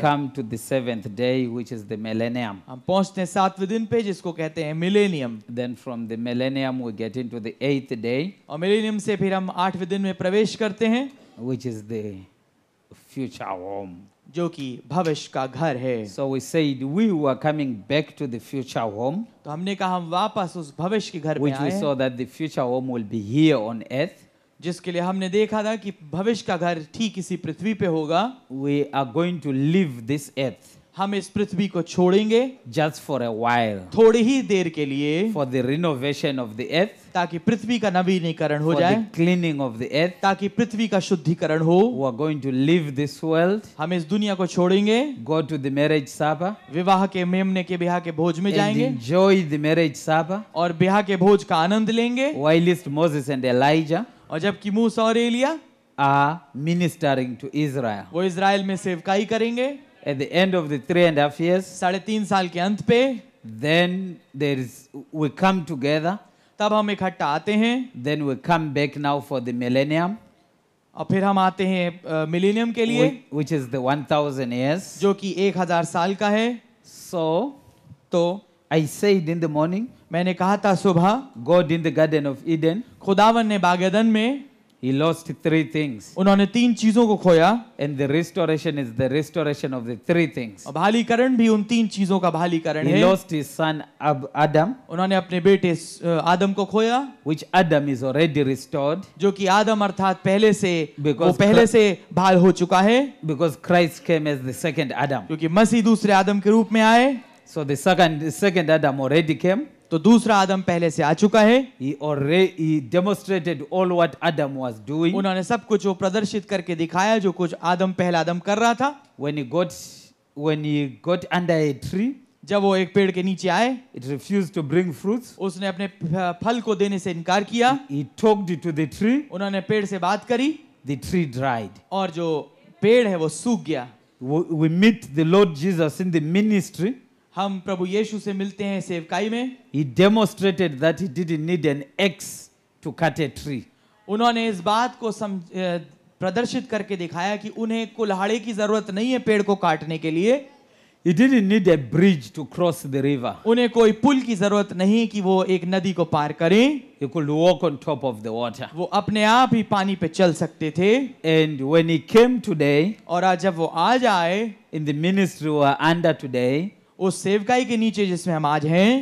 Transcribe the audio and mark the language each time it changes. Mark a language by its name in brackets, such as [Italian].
[English] come to the seventh day, which is the millennium. [Hindi] हम पहुँचते हैं सातवें दिन पे जिसको कहते हैं millennium. [English] Then from the millennium we get into the eighth day. [Hindi] और मिलेनियम से फिर हम आठवें दिन में प्रवेश करते हैं, [English] which is the future home. [Hindi] जो कि भविष्य का घर है। [English] So we said we were coming back to the future home. [Hindi] तो हमने कहा हम वापस उस भविष्य के घर पे आए। [English] Which we saw that the future home will be here on earth. [Hindi] जिसके लिए हमने देखा था कि भविष्य का घर ठीक इसी पृथ्वी पे होगा। [English] We are going to leave this earth. [Hindi] हम इस पृथ्वी को छोड़ेंगे। [English] Just for a while. [Hindi] थोड़ी ही देर के लिए। [English] For the renovation of the earth. [Hindi] ताकि पृथ्वी का नवीनीकरण हो [English] for [Hindi] जाए। [English] The cleaning of the earth. [Hindi] ताकि पृथ्वी का शुद्धिकरण हो। [English] We are going to leave this world. [Hindi] हम इस दुनिया को छोड़ेंगे। [English] Go to the marriage supper. [Hindi] विवाह के मेमने के ब्याह के भोज में जाएंगे। [English] And enjoy the marriage supper. [Hindi] और ब्याह के भोज का आनंद लेंगे। [English] Whilst Moses and Elijah. [Hindi] और जबकि मूसा और Elia. [English] Are ministering to Israel. [Hindi] वो इसराइल में सेवकाई करेंगे। [English] At the end of the 3.5 years, [Hindi] 3.5 साल के अंत पे, [English] then there is we come together. [Hindi] तब हम इकट्ठा आते हैं. [English] Then we come back now for the millennium. [Hindi] और फिर हम आते हैं millennium के लिए, [English] which is the 1000 years, [Hindi] जो कि 1000 साल का है. [English] So, [Hindi] तो [English] I said in the morning, [Hindi] मैंने कहा था सुबह, [English] God in the Garden of Eden, [Hindi] खुदावन ने बाग एदन में. [English] He lost 3 things. [Hindi] उन्होंने 3 चीजों को खोया. [English] And the restoration is the restoration of the 3 things. [Hindi] और भालीकरण भी उन 3 चीजों का भालीकरण है. [English] He lost his son Adam. [Hindi] उन्होंने अपने बेटे आदम को खोया. [English] Which Adam is already restored. [Hindi] जो कि आदम अर्थात पहले से वो पहले से भाल हो चुका है. [English] Because Christ came as the second Adam. [Hindi] क्योंकि मसीह दूसरे आदम के रूप में आए. [English] So the second Adam already came. [Hindi] तो दूसरा आदम पहले से आ चुका है। [English] He demonstrated all what Adam was doing. [Hindi] उन्होंने सब कुछ वो प्रदर्शित करके दिखाया जो कुछ आदम पहला आदम कर रहा था। [English] When he got under a tree, [Hindi] जब वो एक पेड़ के नीचे आए, [English] it refused to bring fruits. [Hindi] उसने अपने फल को देने से इनकार किया। [English] He talked to the tree. [Hindi] उन्होंने पेड़ से बात करी। [English] The tree dried. [Hindi] और जो पेड़ है वो सूख गया। [English] We meet the Lord Jesus in the ministry. [Hindi] हम प्रभु यीशु से मिलते हैं सेवकाई में। [English] He demonstrated that he didn't need an axe to cut a tree. [Hindi] उन्होंने इस बात को प्रदर्शित करके दिखाया कि उन्हें कुल्हाड़े की जरूरत नहीं है पेड़ को काटने के लिए। [English] He didn't need a bridge to cross the river. [Hindi] उन्हें कोई पुल की जरूरत नहीं कि वो एक नदी को पार करें। [English] He could walk on top of the water. [Hindi] वो अपने आप ही पानी पे चल सकते थे। [English] And when he came today, [Hindi] और आज जब वो आ जाए, [English] in the ministry we are under today, [Hindi] उस सेवकाई के नीचे जिसमें हम आज हैं,